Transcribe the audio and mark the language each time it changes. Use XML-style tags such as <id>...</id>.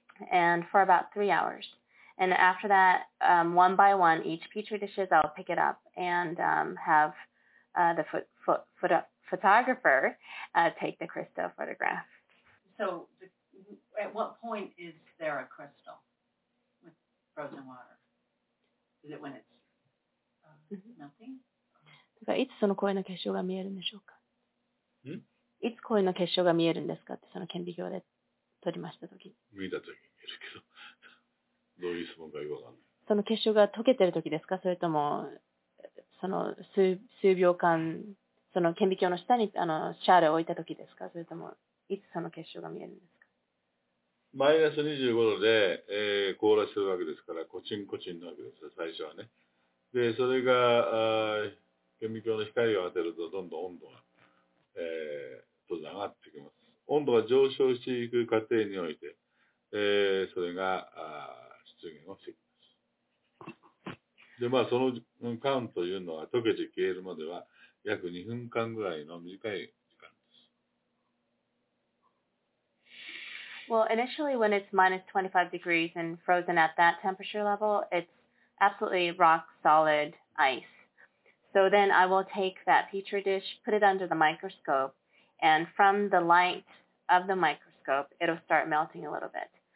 <en>And for about 3 hours. And after that, one by one, each petri dishes, I'll pick it up and have the photographer take the crystal photograph. So at what point is there a crystal with frozen water? Is it when it's nothing?</en> <ja>だからいつその氷の結晶が見えるんでしょうか？いつ氷の結晶が見えるんですかってその顕微鏡で撮りましたとき。見たとき。どういう質問かよくわかんない。その結晶が溶けてる時ですか、それともその数秒間その顕微鏡の下にあのシャーレを置いた時ですか、それともいつその結晶が見えるんですか。マイナス25度で、凍らせるわけですからコチンコチンなわけですよ最初はね。でそれが顕微鏡の光を当てるとどんどん温度が、と上がってきます。温度が上昇していく過程においてそれが出現をしてきます。で、まあ、その間というのは溶けて消えるまでは約2分間ぐらいの短い時間です。</ja> <en>Well, initially when it's minus 25 degrees and frozen at that temperature level, it's absolutely rock solid ice. So then I will take that petri dish, put it under the microscope, and from the light of the microscope, it'll start melting a little bit.</en>